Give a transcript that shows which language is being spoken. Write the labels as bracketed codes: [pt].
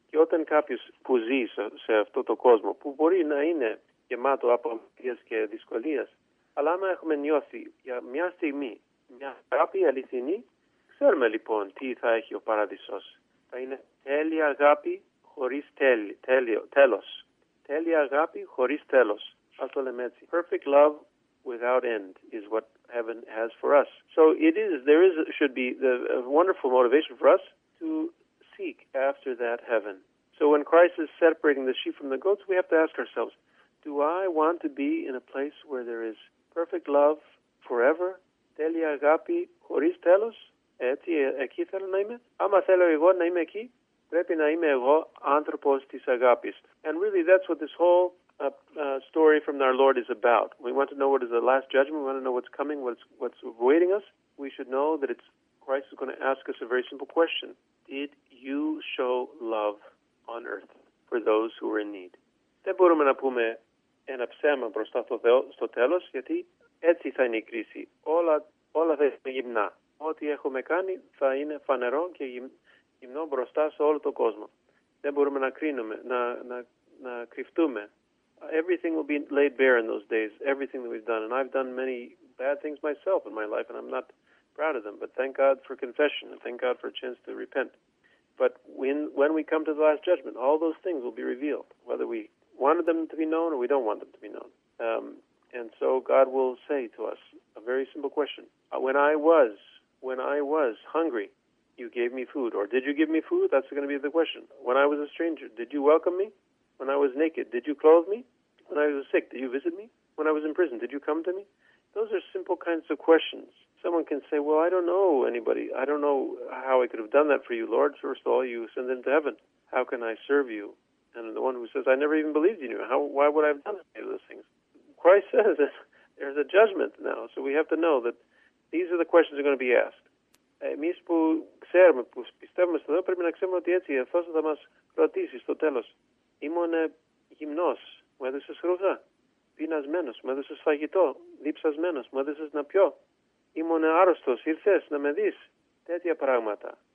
[el] Και όταν κάποιος που ζει σε αυτό το κόσμο, που μπορεί να είναι γεμάτο από αμαρτίες και δυσκολίες, αλλά άμα έχουμε νιώσει για μια στιγμή μια αγάπη αληθινή, ξέρουμε λοιπόν τι θα έχει ο Παραδεισός. Θα είναι τέλεια αγάπη χωρίς τέλος. Τέλεια αγάπη χωρίς τέλος. Ας το λέμε έτσι. [en] Perfect love without end is what heaven has for us. So it is, there is, should be the wonderful motivation for us to seek after that heaven. So when Christ is separating the sheep from the goats, we have to ask ourselves, do I want to be in a place where there is perfect love forever? [el] Τέλεια αγάπη χωρίς τέλος? Έτσι, εκεί θέλω να είμαι. Άμα θέλω εγώ να είμαι εκεί, πρέπει να είμαι εγώ άνθρωπος της αγάπης. [en] And really, that's what this whole story from our Lord is about. We want to know what is the last judgment. We want to know what's coming, what's awaiting us. We should know that it's Christ is going to ask us a very simple question. Did you show love on earth for those who were in need? [el] Δεν μπορούμε να πούμε ένα ψέμα μπροστά στο τέλος, γιατί έτσι θα είναι η κρίση. Όλα θα είναι γυμνά. Ό,τι έχουμε κάνει θα είναι φανερό και γυμνό μπροστά σε όλο τον κόσμο. Δεν μπορούμε να κρίνουμε, να κρυφτούμε. [en] Everything will be laid bare in those days, everything that we've done. And I've done many bad things myself in my life, and I'm not proud of them. But thank God for confession, and thank God for a chance to repent. But when we come to the last judgment, all those things will be revealed, whether we wanted them to be known or we don't want them to be known. And so God will say to us a very simple question. When I was hungry, you gave me food. Or did you give me food? That's going to be the question. When I was a stranger, did you welcome me? When I was naked, did you clothe me? When I was sick, did you visit me? When I was in prison, did you come to me? Those are simple kinds of questions. Someone can say, well, I don't know anybody. I don't know how I could have done that for you, Lord. First of all, you send them to heaven. How can I serve you? And the one who says, I never even believed in you. Why would I have done any of those things? Christ says that there's a judgment now. So we have to know that these are the questions that are going to be asked. [el] Εμείς που ξέρουμε, που πιστεύουμε στο Θεό, πρέπει να ξέρουμε ότι έτσι, αυτός θα μας ρωτήσει στο τέλος. Ήμουν γυμνός, μου έδωσες ρούχα. Πεινασμένος, μου έδωσες φαγητό. Δίψασμένος, μου έδωσες να πιω. Ήμουν άρρωστος, ήρθες να με δεις. Τέτοια πράγματα.